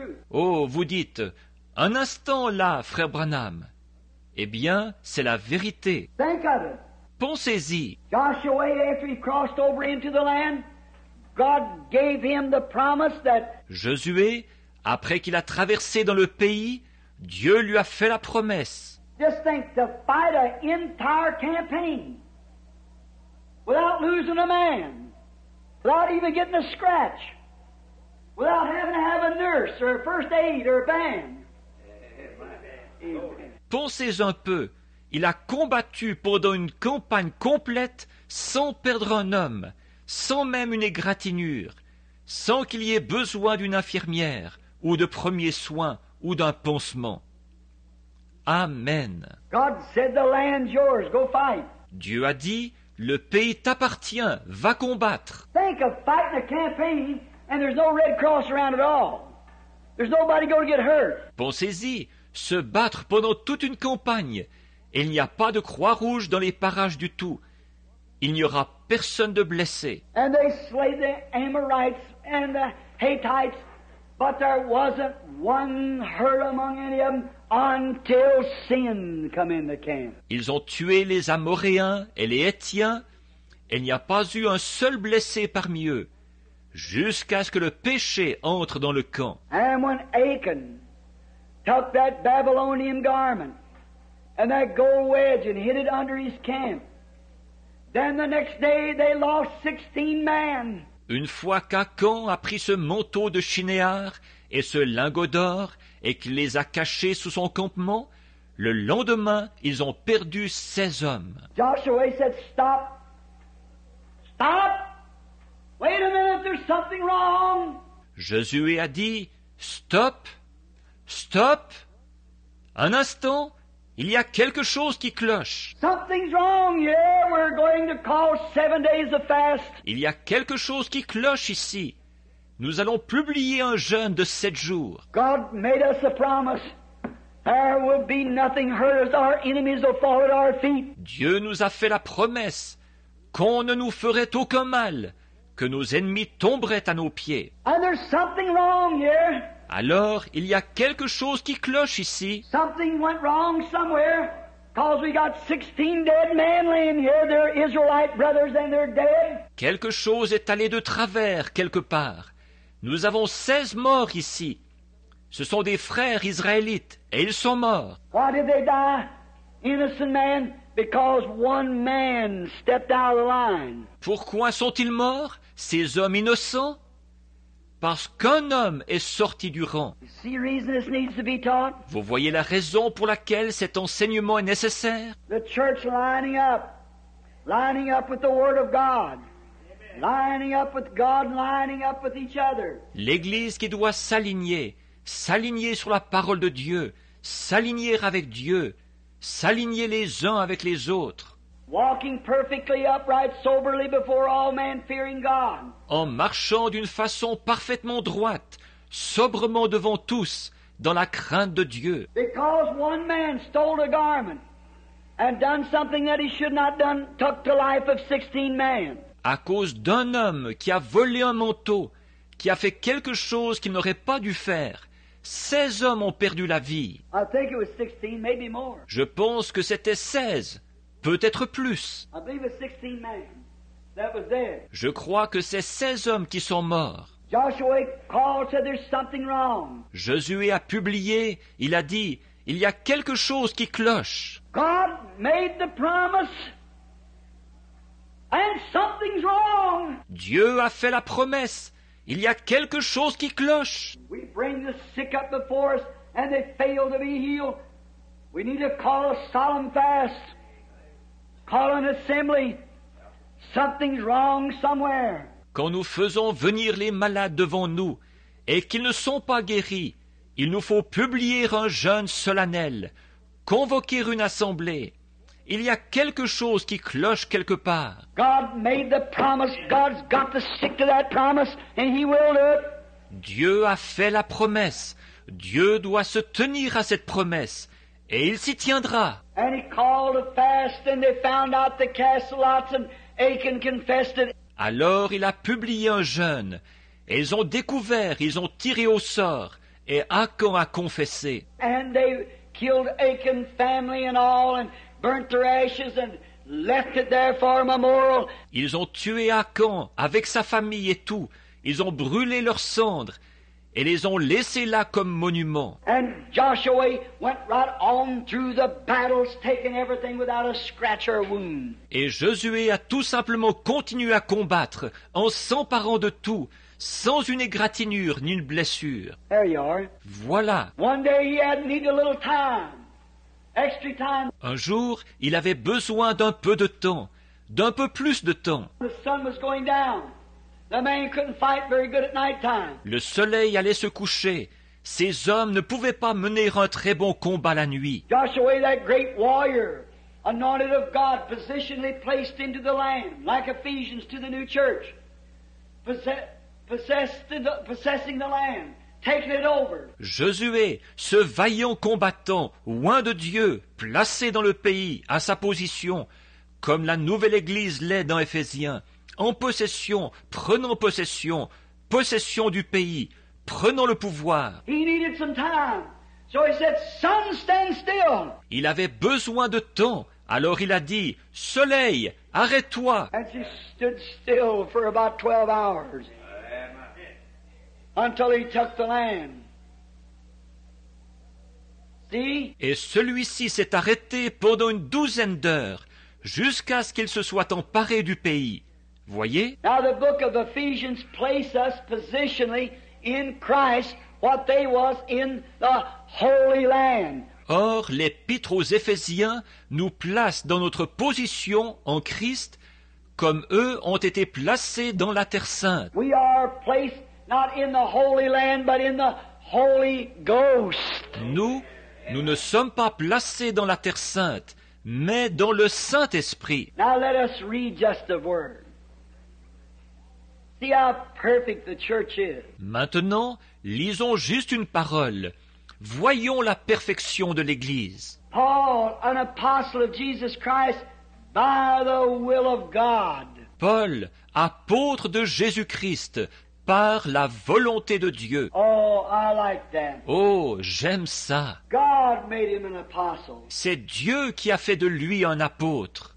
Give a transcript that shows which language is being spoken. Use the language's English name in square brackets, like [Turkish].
[French] Oh, vous dites, un instant là, frère Branham. Eh bien, c'est la vérité. Pensez-y. [English] Joshua, after he crossed over into the land, God gave him the promise that... [French] Josué, après qu'il a traversé dans le pays, Dieu lui a fait la promesse. [English] Just think, to fight an entire campaign without losing a man, without even getting a scratch, without having to have a nurse or a first aid or a band. [French] Pensez un peu. Il a combattu pendant une campagne complète sans perdre un homme, sans même une égratignure, sans qu'il y ait besoin d'une infirmière, ou de premiers soins, ou d'un pansement. Amen. [English] God said, the land's yours. Go fight. [French] Dieu a dit, le pays t'appartient, va combattre. [English] Think of fighting a campaign and there's no red cross around at all. There's nobody going to get hurt. [French] Pensez-y, se battre pendant toute une campagne, il n'y a pas de croix rouge dans les parages du tout. Il n'y aura personne de blessé. [English] And they slayed the Amorites and the Hittites. But there wasn't one hurt among any of them until sin came in the camp. [French] Ils ont tué les Amoréens et les Hétiens. Il n'y a pas eu un seul blessé parmi eux, jusqu'à ce que le péché entre dans le camp. [English] And when Achan took that Babylonian garment and that gold wedge and hid it under his camp, then the next day they lost 16 men. [French] Une fois qu'Achan a pris ce manteau de Shinéar et ce lingot d'or et qu'il les a cachés sous son campement, le lendemain, ils ont perdu 16 hommes. [English] Joshua said, stop. Stop. Wait a minute, there's something wrong. [French] Josué a dit, stop. Stop. Un instant, il y a quelque chose qui cloche. [English] Something's wrong. Yeah, we're going to call 7 days of fast. [French] Il y a quelque chose qui cloche ici. Nous allons publier un jeûne de 7 jours. [English] God made us a promise. There will be nothing hurt as our enemies will fall at our feet. [French] Dieu nous a fait la promesse qu'on ne nous ferait aucun mal, que nos ennemis tomberaient à nos pieds. [English] And there's something wrong here. [French] Alors, il y a quelque chose qui cloche ici. [English] Something went wrong somewhere, 'cause we got 16 dead men laying here. They're Israelite brothers and they're dead. [French] Quelque chose est allé de travers quelque part. Nous avons 16 morts ici. Ce sont des frères israélites et ils sont morts. [English] Why did they die? innocent man because one man stepped out of the line. [French] Pourquoi sont-ils morts, ces hommes innocents? Parce qu'un homme est sorti du rang. [English] You see the reason this needs to be taught? [French] Vous voyez la raison pour laquelle cet enseignement est nécessaire? [English] The church lining up with the word of God. Lining up with God, lining up with each other. [French] L'Église qui doit s'aligner sur la parole de Dieu, s'aligner avec Dieu, s'aligner les uns avec les autres. [English] Walking perfectly upright, soberly before all men, fearing God. [French] En marchant d'une façon parfaitement droite, sobrement devant tous, dans la crainte de Dieu. [English] Because one man stole a garment and done something that he should not done, took the life of 16 men. [French] À cause d'un homme qui a volé un manteau, qui a fait quelque chose qu'il n'aurait pas dû faire, 16 hommes ont perdu la vie. [English] I think it was 16, maybe more. [French] Je pense que c'était 16, peut-être plus. [English] I believe it's 16 men that was dead. [French] Je crois que c'est 16 hommes qui sont morts. [English] Joshua called, said there's something wrong. [French] Josué a publié, il a dit, il y a quelque chose qui cloche. [English] God made the promise. And something's wrong. [French] Dieu a fait la promesse. Il y a quelque chose qui cloche. [English] We bring the sick up before us and they fail to be healed. We need to call a solemn fast. Call an assembly. Something's wrong somewhere. [French] Quand nous faisons venir les malades devant nous et qu'ils ne sont pas guéris, il nous faut publier un jeûne solennel, convoquer une assemblée. Il y a quelque chose qui cloche quelque part. [English] God made the promise. God's got to stick to that promise, and He will do it. [French] Dieu a fait la promesse. Dieu doit se tenir à cette promesse, et il s'y tiendra. [English] And He called a fast, and they found out they cast lots, and Achan confessed it. [French] Alors il a publié un jeûne. Et ils ont découvert, ils ont tiré au sort, et Achan a confessé. [English] And they killed Achan, family and all, and burnt their ashes and left it there for a memorial. [French] Ils ont tué Achan avec sa famille et tout. Ils ont brûlé leurs cendres et les ont laissés là comme monument. [English] And Joshua went right on through the battles, taking everything without a scratch or a wound. [French] Et Josué a tout simplement continué à combattre en s'emparant de tout, sans une égratignure ni une blessure. [English] There you are. [French] Voilà. [English] One day he had need a little time. Extra time. [French] Un jour, il avait besoin d'un peu de temps, d'un peu plus de temps. [English] The sun was going down. The man couldn't fight very good at night time. [French] Le soleil allait se coucher. Ces hommes ne pouvaient pas mener un très bon combat la nuit. [English] Joshua, that great warrior, anointed of God, positionally placed into the land, like Ephesians to the new church, possessing the land. Taking it over. [French] Josué, ce vaillant combattant, loin de Dieu, placé dans le pays, à sa position, comme la nouvelle Église l'est dans Éphésiens, en possession, prenant possession, possession du pays, prenant le pouvoir. [English] He needed some time. So he said, "Sun, stand still." [French] Il avait besoin de temps, alors il a dit, « Soleil, arrête-toi !» [English] And he stood still for about 12 hours. Until he took the land. See? [French] Et celui-ci s'est arrêté pendant une douzaine d'heures, jusqu'à ce qu'il se soit emparé du pays. Voyez? [English] Now the book of Ephesians places us positionally in Christ, what they was in the Holy Land. [French] Or, l'Épître aux Éphésiens nous place dans notre position en Christ, comme eux ont été placés dans la Terre Sainte. [English] We are placed. Not in the Holy Land, but in the Holy Ghost. [French] Nous ne sommes pas placés dans la Terre Sainte, mais dans le Saint-Esprit. [English] Now let us read just the word. See how perfect the church is. [French] Maintenant, lisons juste une parole. Voyons la perfection de l'Église. [English] Paul, an apostle of Jesus Christ, by the will of God. [French] Paul, apôtre de Jésus-Christ, par la volonté de Dieu. [English] Oh, I like that. [French] Oh, j'aime ça. [English] God made him an apostle. [French] C'est Dieu qui a fait de lui un apôtre.